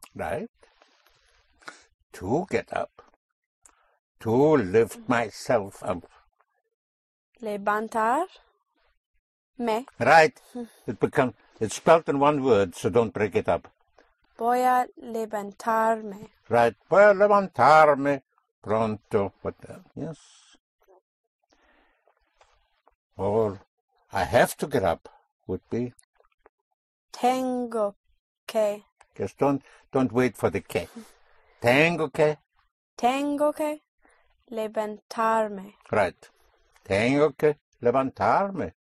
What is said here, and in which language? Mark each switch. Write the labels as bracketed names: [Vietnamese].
[English] Right. To get up. To lift myself up. [Spanish] Levantar me. [English] Right. It's spelt in one word, so don't break it up. [Spanish] Voy a levantarme. [English] Right. [Spanish] Voy a levantarme pronto. [English] What else? Yes. Or, I have to get up, would be. [Spanish] Tengo que. [English] Just don't wait for the que. [Spanish] Tengo que. Tengo que levantarme. Right. Tengo que levantarme.